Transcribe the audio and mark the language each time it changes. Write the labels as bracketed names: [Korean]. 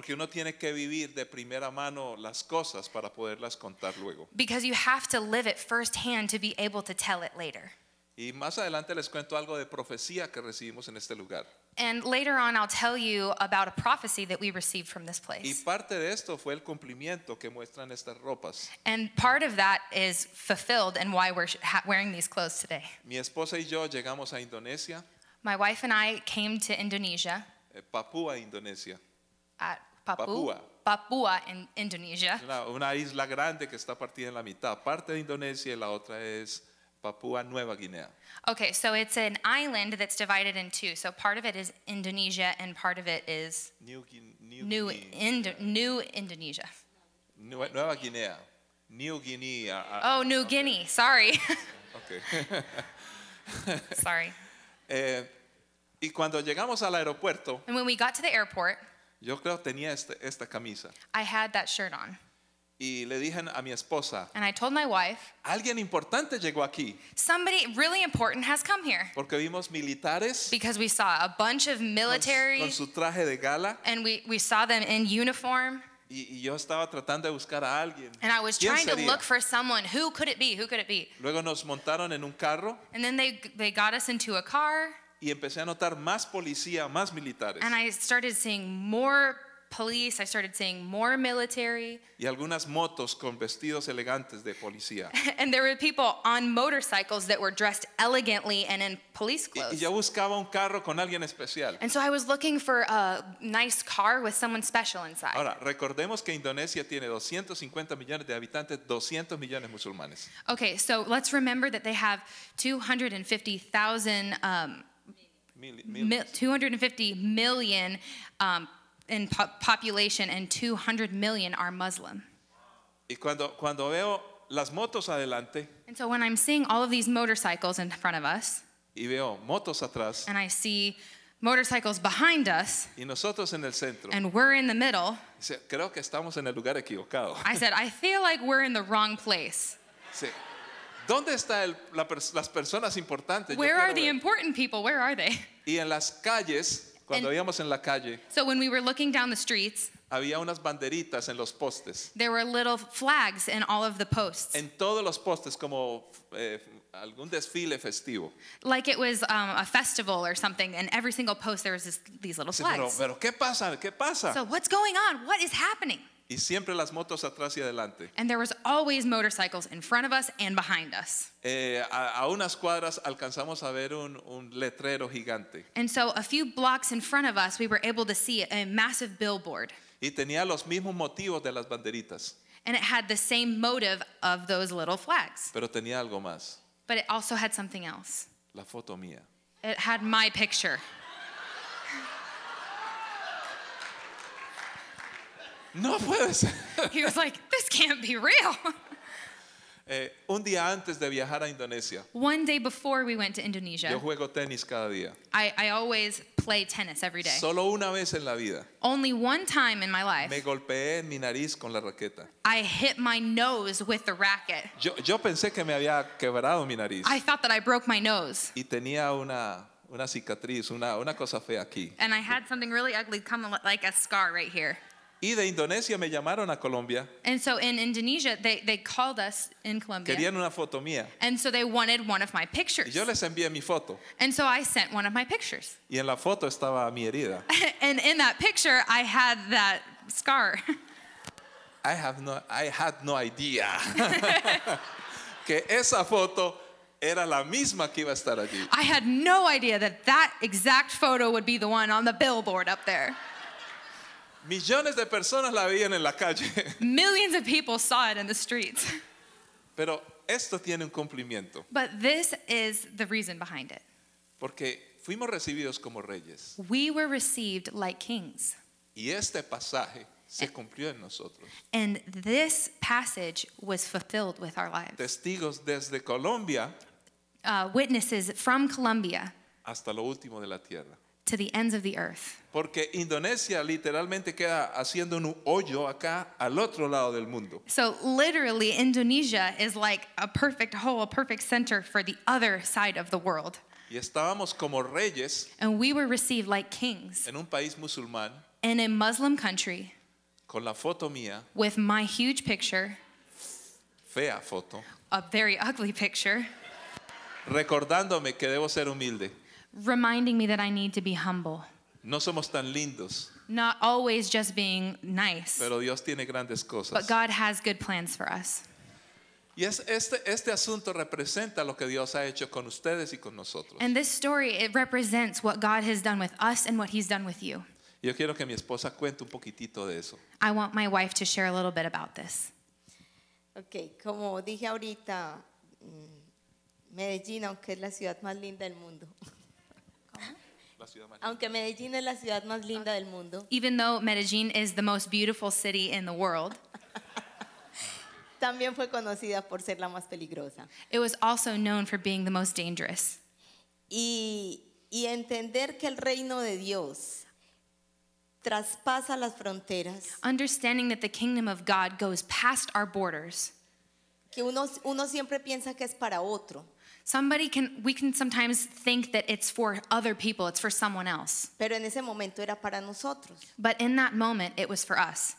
[Spanish] Porque uno tiene que vivir de primera mano las cosas para poderlas contar luego. [English] Because you have to live it firsthand to be able to tell it later. [Spanish] Y más adelante les cuento algo de profecía que recibimos en este lugar. [English] And later on I'll tell you about a prophecy that we received from this place. [Spanish] Y parte de esto fue el cumplimiento que muestran estas ropas. [English] And part of that is fulfilled and why we're wearing these clothes today. [Spanish] Mi esposa y yo llegamos a Indonesia. [English] My wife and I came to Indonesia. [Spanish] Papua, Indonesia. [English] Papua. Papua in Indonesia. [Spanish] Una isla grande que está partida en la mitad. Parte de Indonesia y la otra es Papua Nueva Guinea. [English] Okay, so it's an island that's divided in two. So part of it is Indonesia and part of it is New Indonesia. [Spanish] Nueva Guinea. New Guinea. [English] Oh, New Guinea. Sorry. Okay. Sorry. [Spanish] Y cuando llegamos al aeropuerto, [English] and when we got to the airport, [Spanish] yo creo tenía esta camisa. [English] I had that shirt on. [Spanish] Y le dije a mi esposa, [English] and I told my wife, [Spanish] alguien importante llegó aquí. [English] Somebody really important has come here. [Spanish] Porque vimos militares, [English] because we saw a bunch of military [Spanish] con su traje de gala, [English] and we saw them in uniform. [Spanish] Y yo estaba tratando de buscar a alguien. [English] And I was trying to look for someone. Who could it be? Who could it be? [Spanish] Luego nos montaron en un carro. [English] And then they got us into a car. [Spanish] Y empecé a notar más policía, más militares. [English] And I started seeing more police. I started seeing more military. [Spanish] Y algunas motos con vestidos elegantes de policía. [English] And there were people on motorcycles that were dressed elegantly and in police clothes. [Spanish] Y yo buscaba un carro con alguien especial. [English] And so I was looking for a nice car with someone special inside. [Spanish] Ahora, recordemos que Indonesia tiene 250 millones de habitantes, 200 millones musulmanes. [English] Okay, so let's remember that they have 250 million in population and 200 million are Muslim. [Spanish] Y cuando veo las motos adelante, [English] and so when I'm seeing all of these motorcycles in front of us, [Spanish] y veo motos atrás, [English] and I see motorcycles behind us, [Spanish] y nosotros en el centro, [English] and we're in the middle, [Spanish] sí, creo que estamos en el lugar equivocado. [English] I said, I feel like we're in the wrong place. [Spanish] Sí. ¿Dónde está las personas importantes? [English] Where are the important people? Where are they? [Spanish] Y en las calles, cuando íbamos en la calle, [English] so when we were looking down the streets, [Spanish] había unas banderitas en los postes. [English] There were little flags in all of the posts. [Spanish] En todos los postes, como algún desfile festivo. [English] Like it was a festival or something, and every single post there was these little flags. [Spanish] Sí, pero ¿qué pasa? ¿Qué pasa? [English] So what's going on? What is happening? [Spanish] Y siempre las motos atrás y adelante. [English] And there was always motorcycles in front of us and behind us. [Spanish] A unas cuadras alcanzamos a ver un letrero gigante. [English] And so a few blocks in front of us we were able to see a massive billboard. [Spanish] Y tenía los mismos motivos de las banderitas. [English] And it had the same motive of those little flags. [Spanish] Pero tenía algo más. [English] But it also had something else. [Spanish] La foto mía. [English] It had my picture. [Spanish] No puedes. [English] He was like, this can't be real. [Spanish] Un día antes de viajar a Indonesia. [English] One day before we went to Indonesia. [Spanish] Yo juego tenis cada día. [English] I always play tennis every day. [Spanish] Solo una vez en la vida. [English] Only one time in my life. [Spanish] Me golpeé mi nariz con la raqueta. [English] I hit my nose with the racket. [Spanish] Yo pensé que me había quebrado mi nariz. [English] I thought that I broke my nose. [Spanish] Y tenía una cicatriz, una cosa fea aquí. [English] And I had something really ugly come like a scar right here. [Spanish] Y de Indonesia me llamaron a Colombia. [English] And so in Indonesia, they called us in Colombia. [Spanish] Querían una foto mía. [English] And so they wanted one of my pictures. [Spanish] Y yo les envié mi foto. [English] And so I sent one of my pictures. [Spanish] Y en la foto estaba mi herida. [English] And in that picture, I had that scar. I had no idea. [Spanish] Que esa foto era la misma que iba a estar allí. [English] I had no idea that that exact photo would be the one on the billboard up there. [Spanish] Millones de personas la veían en la calle. [English] Millions of people saw it in the streets. [Spanish] Pero esto tiene un cumplimiento. [English] But this is the reason behind it. [Spanish] Porque fuimos recibidos como reyes. [English] We were received like kings. [Spanish] Y este pasaje se cumplió en nosotros. [English] And this passage was fulfilled with our lives. [Spanish] Testigos desde Colombia. [English] Witnesses from Colombia. [Spanish] Hasta lo último de la tierra. [English] To the ends of the earth. [Spanish] Porque Indonesia literalmente queda haciendo un hoyo acá al otro lado del mundo. [English] So literally Indonesia is like a perfect hole, a perfect center for the other side of the world. [Spanish] Y estábamos como reyes. [English] And we were received like kings. [Spanish] En un país musulmán. [English] In a Muslim country. [Spanish] Con la foto mía. [English] With my huge picture. [Spanish] Fea foto. [English] A very ugly picture. [Spanish] Recordándome que debo ser humilde. [English] Reminding me that I need to be humble. [Spanish] No somos tan lindos. [English] Not always just being nice. [Spanish] Pero Dios tiene grandes cosas. [English] But God has good plans for us. [Spanish] Y este asunto representa lo que Dios ha hecho con ustedes y con nosotros. [English] And this story, it represents what God has done with us and what he's done with you. [Spanish] Yo quiero que mi esposa cuente un poquitito de eso. [English] I want my wife to share a little bit about this. [Spanish] Okay, como dije ahorita, Medellín, aunque es la ciudad más linda del mundo. Aunque Medellín es la ciudad más linda del mundo. [English] Even though Medellín is the most beautiful city in the world. [Spanish] También fue conocida por ser la más peligrosa. [English] It was also known for being the most dangerous. [Spanish] Y entender que el reino de Dios traspasa las fronteras. [English] Understanding that the kingdom of God goes past our borders. [Spanish] Que uno siempre piensa que es para otro. [English] We can sometimes think that it's for other people, it's for someone else. [Spanish] Pero en ese momento era para nosotros. [English] But in that moment, it was for us.